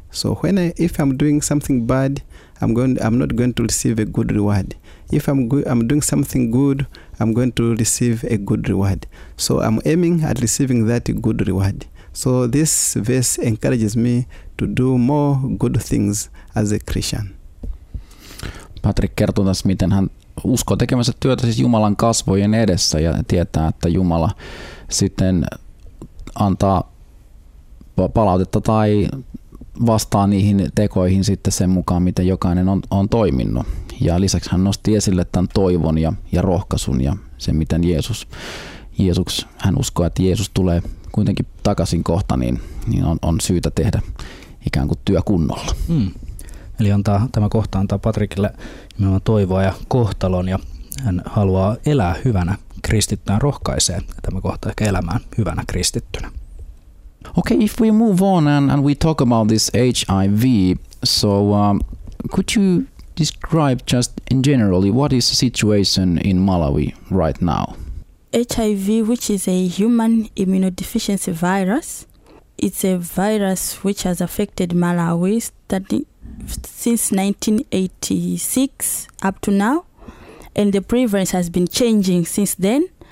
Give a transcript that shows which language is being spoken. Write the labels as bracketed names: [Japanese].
[English] So when if I'm doing something bad, I'm not going to receive a good reward. If I'm doing something good, I'm going to receive a good reward. So I'm aiming at receiving that good reward. So this verse encourages me to do more good things as a Christian. [Finnish] Patrick kertoo tässä, miten hän uskoo tekemänsä työtä siis Jumalan kasvojen edessä ja tietää, että Jumala sitten antaa palautetta tai vastaa niihin tekoihin sitten sen mukaan, miten jokainen on toiminut. Ja lisäksi hän nosti esille tämän toivon ja rohkaisun ja sen, miten Jeesus hän uskoo, että Jeesus tulee kuitenkin takaisin kohta, niin on syytä tehdä ikään kuin työ kunnolla. Eli tämä kohta antaa Patrikille nimenomaan toivoa ja kohtalon, ja hän haluaa elää hyvänä kristittynä, rohkaisee tämä kohta ehkä elämään hyvänä kristittynä. [English] Okay, if we move on and we talk about this HIV, so could you describe just in generally what is the situation in Malawi right now? HIV, which is a human immunodeficiency virus, it's a virus which has affected Malawi since 1986 up to now, and the prevalence has been changing since then.